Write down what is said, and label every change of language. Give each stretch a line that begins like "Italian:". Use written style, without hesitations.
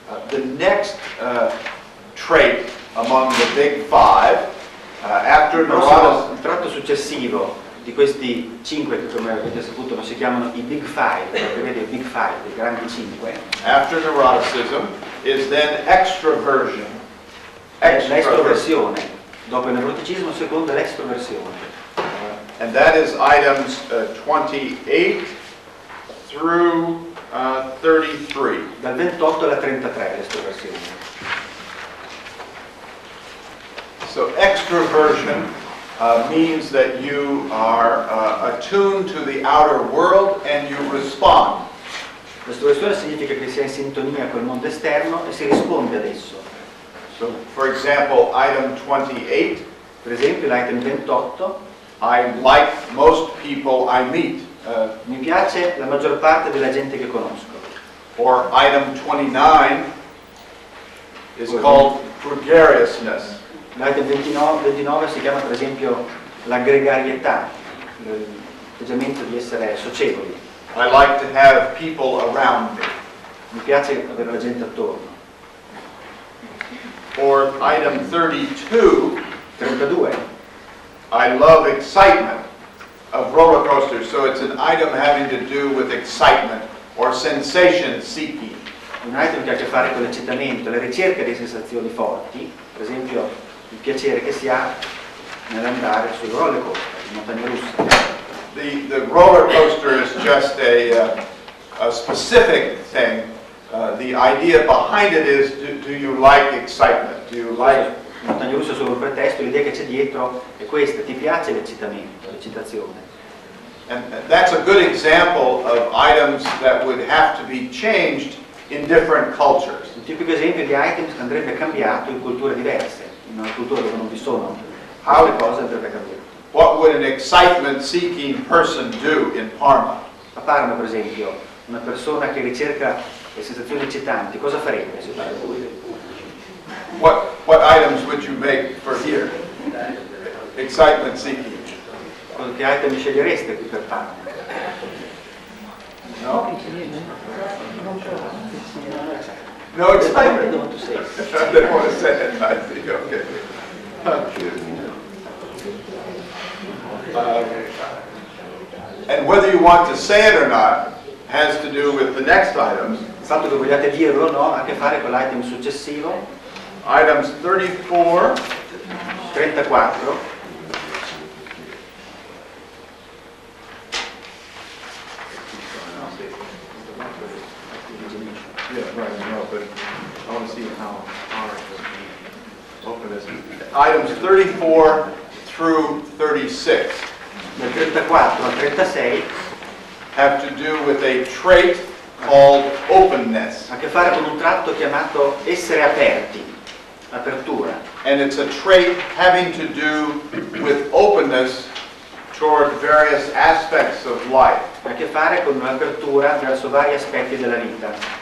English: The next trait among the big five, after neuroticism,
Italian: il tratto successivo di questi cinque che come avete saputo si chiamano i big five, vedete i big five, i grandi cinque.
English: After neuroticism is then extroversion.
Italian: L'estroversione. Dopo il neuroticismo secondo l'extroversione.
English: And that is items 28 through 33.
Italian: Dal 28 alla 33 l'estroversione.
English: So extroversion means that you are attuned to the outer world and you respond.
Italian: L'estroversione significa che si è in sintonia col mondo esterno e si risponde ad esso.
English: So, for example, item 28.
Italian: Per esempio, l'item 28.
English: I like most people I meet.
Italian: Mi piace la maggior parte della gente che conosco.
English: Or item 29 is called gregariousness.
Italian: L'item 29 si chiama, per esempio, la gregarietà, l'atteggiamento di essere socievoli.
English: I like to have people around me.
Italian: Mi piace avere la gente attorno.
English: Or item 32. I love excitement of roller coasters, so it's an item having to do with excitement or sensation seeking.
Italian: Un item che ha a che fare con l'eccitamento, la ricerca di sensazioni forti, per esempio il piacere che si ha nell'andare sul roller coaster, in montagna russa.
English: The roller coaster is just a specific thing. The idea behind it is, do you like excitement? Do you like?
Italian: Montagna russa è solo un pretesto, l'idea che c'è dietro è questa, ti piace l'eccitamento, l'eccitazione.
English: And that's a good example of items that would have to be changed in different cultures.
Italian: Un tipico esempio di items che andrebbe cambiato in culture diverse, in una cultura dove non vi sono queste cose andrebbe cambiato.
English: What would an excitement-seeking person do in Parma?
Italian: A Parma, per esempio, una persona che ricerca le sensazioni eccitanti, cosa farebbe se fare lui?
English: What items would you make for here? Excitement seeking.
Italian: Qualche item scegliereste qui per Parma?
English: No? No excitement. Don't say it. They want to say it, I think, okay. And whether you want to say it or not has to do with the next items.
Italian: Il fatto che vogliate dirlo o no ha a che fare con l'item successivo.
English: Items 34.
Italian: 34.
English: Items 34 through 36.
Italian: Da 34 a 36
English: have to do with a trait called openness.
Italian: Ha a che fare con un tratto chiamato essere aperti. Apertura.
English: And it's a trait having to do with openness toward various aspects of life.
Italian: Ha a che fare con un'apertura verso vari aspetti della vita.